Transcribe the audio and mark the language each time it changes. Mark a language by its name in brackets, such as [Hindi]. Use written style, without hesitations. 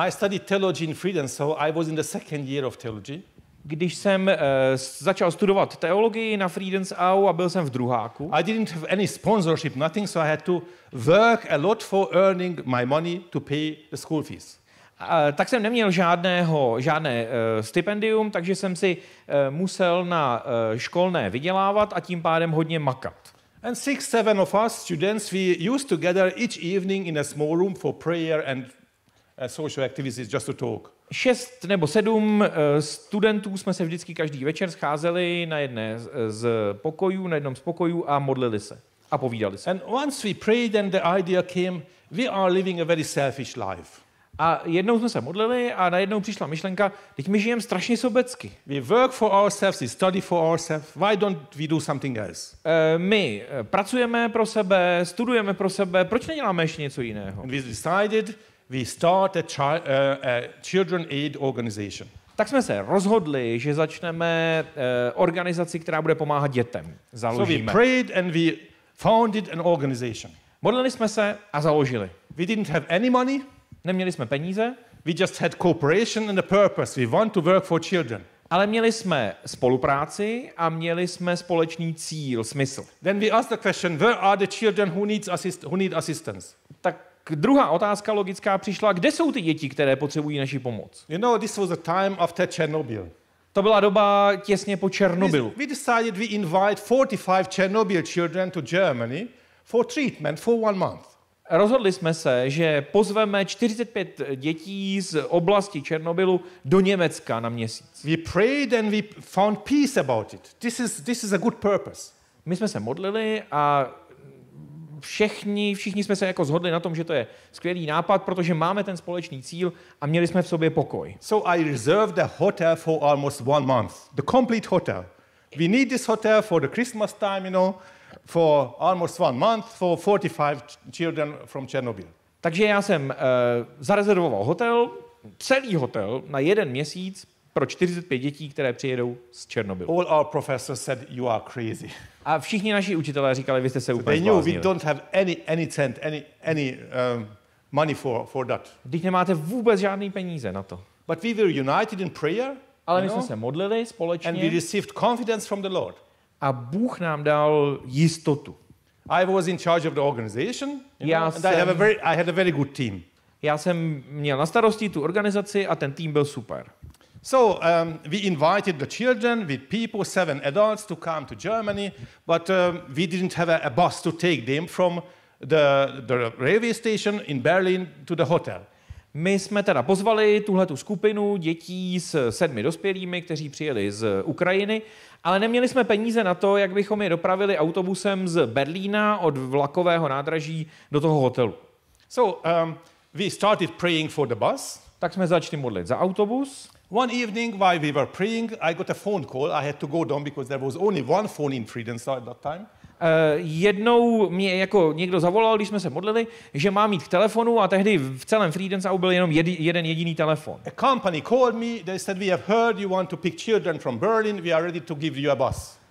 [English] I studied theology in Sweden, so I was in the second year of theology. [Czech] Když jsem začal studovat teologii na Friedensau a byl jsem v druháku. [English] I didn't have any sponsorship, nothing, so I had to work a lot for earning my money to pay the school fees. [Czech] Tak jsem neměl žádné stipendium, takže jsem si musel na školné vydělávat a tím pádem hodně makat. [English] And 6-7 of us students we used to gather each evening in a small room for prayer and social activities just to talk. [Czech] 6 nebo 7 studentů jsme se vždycky každý večer scházeli na jednom z pokojů a modlili se a povídali se. [English] And once we prayed and the idea came, we are living a very selfish life. [Czech] A jednou jsme se modlili a najednou přišla myšlenka, teď my žijeme strašně sobecky. [English] We work for ourselves, we study for ourselves. Why don't we do something else? [Czech] My pracujeme pro sebe, studujeme pro sebe, proč neděláme ještě něco jiného? [English] And we decided we start a children aid organization. [Czech] Tak jsme se rozhodli, že začneme organizaci, která bude pomáhat dětem. Založíme. [English] So we prayed and we founded an organization. [Czech] Modlili jsme se a založili. [English] We didn't have any money. [Czech] Neměli jsme peníze. [English] We just had cooperation and a purpose. We want to work for children. [Czech] Ale měli jsme spolupráci a měli jsme společný cíl, smysl. [English] Then we asked the question, where are the children who needs assist, who need assistance? [Czech] Tak druhá otázka logická přišla, kde jsou ty děti, které potřebují naši pomoc? [English] You know, this was the time after Chernobyl. [Czech] To byla doba těsně po Černobylu. [English] We decided we invite 45 Chernobyl children to Germany for treatment for one month. [Czech] Rozhodli jsme se, že pozveme 45 dětí z oblasti Černobylu do Německa na měsíc. [English] We prayed and we found peace about it. This is a good purpose. [Czech] My jsme se modlili a všichni jsme se jako zhodli na tom, že to je skvělý nápad, protože máme ten společný cíl a měli jsme v sobě pokoj. [English] So I reserved a hotel for almost one month. The complete hotel. We need this hotel for the Christmas time, you know. For almost one month for 45 children from Chernobyl. [Czech] Takže já jsem zarezervoval hotel, celý hotel na jeden měsíc pro 45 dětí, které přijedou z Černobylu. [English] All our professors said you are crazy. [Czech] A všichni naši učitelé říkali, vy jste se úplně zbláznili. [English] They knew we don't have any cent, any money for that. [Czech] Vždyť nemáte vůbec žádný peníze na to. [English] But we were united in prayer. [Czech] Ale my jsme se modlili společně. [English] And we received confidence from the Lord. [Czech] A Bůh nám dal jistotu. [English] I was in charge of the organization, I had a very good team. [Czech] Já jsem měl na starosti tu organizaci a ten tým byl super. [English] So, we invited the children with people, seven adults to come to Germany, but we didn't have a bus to take them from the railway station in Berlin to the hotel. [Czech] My jsme teda pozvali tuhletu skupinu dětí s sedmi dospělými, kteří přijeli z Ukrajiny, ale neměli jsme peníze na to, jak bychom je dopravili autobusem z Berlína od vlakového nádraží do toho hotelu. [English] So, we started praying for the bus. [Czech] Tak jsme začali modlit za autobus. [English] One evening while we were praying, I got a phone call. I had to go down because there was only one phone in Friedensau at that time. [Czech] Jednou mě jako někdo zavolal, když jsme se modlili, že mám jít k telefonu a tehdy v celém Friedensau byl jenom jeden jediný telefon. [English] A company called me, they said we have heard you want to pick children from Berlin, we are ready to give you a bus.